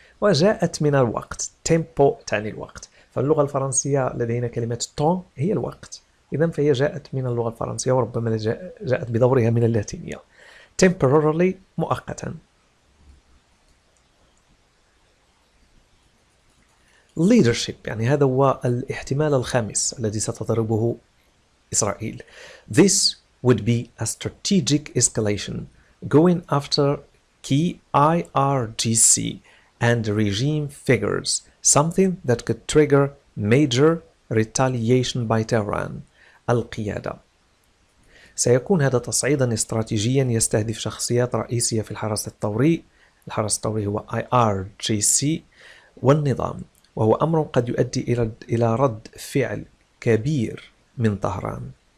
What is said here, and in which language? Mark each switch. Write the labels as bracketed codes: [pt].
[ar] وجاءت من الوقت، تيمبو تعني الوقت، فاللغة الفرنسية لدينا كلمة طون هي الوقت، إذن فهي جاءت من اللغة الفرنسية وربما جاءت بدورها من اللاتينية. [en] temporarily [ar] مؤقتا. [en] leadership [ar] يعني هذا هو الاحتمال الخامس الذي ستضربه إسرائيل. [en] this would be a strategic escalation going after key IRGC and regime figures, something that could trigger major retaliation by Tehran. [ar] القيادة. سيكون هذا تصعيدا استراتيجيا يستهدف شخصيات رئيسية في الحرس الثوري. الحرس الثوري هو IRGC والنظام، وهو أمر قد يؤدي إلى رد فعل كبير من طهران.